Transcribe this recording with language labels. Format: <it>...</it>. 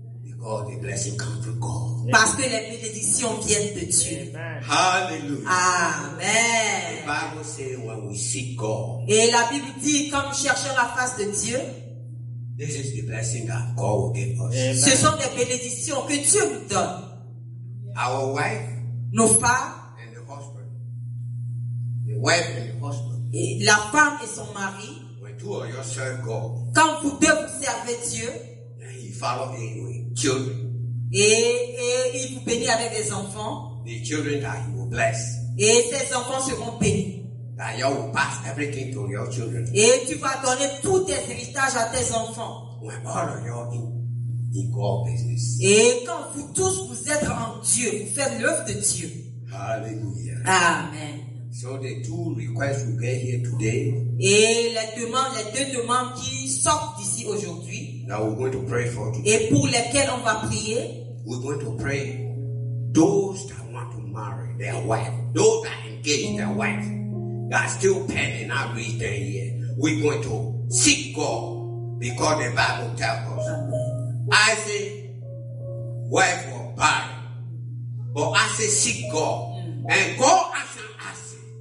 <en>Because the blessing comes from God.</en> <fr>Parce que les bénédictions viennent de Dieu.</fr> <en>Hallelujah. Amen. The Bible says when we seek God.</en> <fr>Et la Bible dit quand nous cherchons la face de Dieu.</fr> <en>This is the blessing that God will give us. Amen.</en> <fr>Ce sont des bénédictions que Dieu nous donne.</fr> <en>Our wife.</en> <fr>Nos femmes.</fr> <en>And the husband. The wife and the husband.</en> <fr>Et la femme et son mari.</fr> <en>When two of you serve God.</en> <fr>Quand vous deux vous servez Dieu.</fr> <en>Then he follow him with children.</en> <fr>Et il vous bénit avec des enfants.</fr> <en>The children that he will bless.</en> <fr>Et ces enfants seront bénis.</fr> <en>That you will pass everything to your children.</en> <fr>Et tu vas donner tout tes héritages à tes enfants.</fr> <en>When all of you are in God's business.</en> <fr>Et quand vous tous vous êtes en Dieu, vous faites l'œuvre de Dieu.</fr> <en>Hallelujah. Amen. So the two requests we get here today.</en> <fr>Et les deux demandes qui sortent d'ici aujourd'hui.</fr> <en>That we're going to pray for today.</en> <fr>Et pour lesquels on va prier?</fr> <en>We're going to pray those that want to marry their wife, those that engage their wife, that are still pending, not reached there yet. We're going to seek God because the Bible tells us. Isaac wife was barren, but Isaac seek God, and God answered Isaac.</en>